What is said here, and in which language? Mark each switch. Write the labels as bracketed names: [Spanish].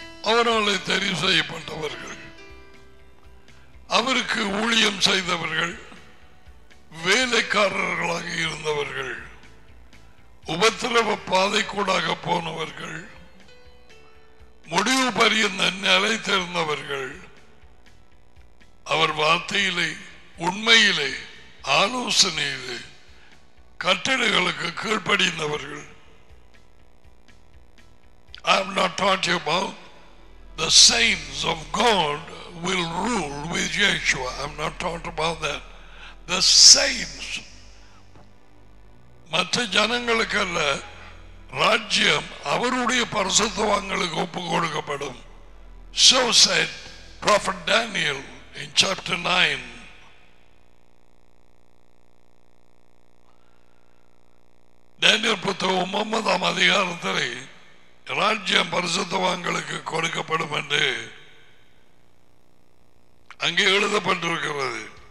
[Tamil] அவர்களை தெரிவு செய்யப்பட்டவர்கள், அவருக்கு ஊழியம் செய்தவர்கள், வேலைக்காரர்களாக இருந்தவர்கள், உபத்திரவ பாதைக்கூடாக போனவர்கள், முடிவு பரியந்த நிலை தெரிந்தவர்கள், அவர் வார்த்தையிலே உண்மையிலே ஆலோசனையிலே கட்டளைகளுக்கு கீழ்ப்படிந்தவர்கள். [English] I am not talking about the saints of God will rule with Yeshua. I am not talking about that. The saints. [Tamil] மற்ற ஜனங்களுக்கல்ல, ராஜ்யம் அவருடைய பரிசுத்தவான்களுக்கு ஒப்பு கொடுக்கப்படும். [English] So said Prophet Daniel in chapter 9. [Tamil] Daniel புத்தகம் 9 அதிகாரத்தில் ராஜ்யம் பரிசுத்தவான்களுக்கு கொடுக்கப்படும் என்று அங்கே எழுதப்பட்டிருக்கிறது.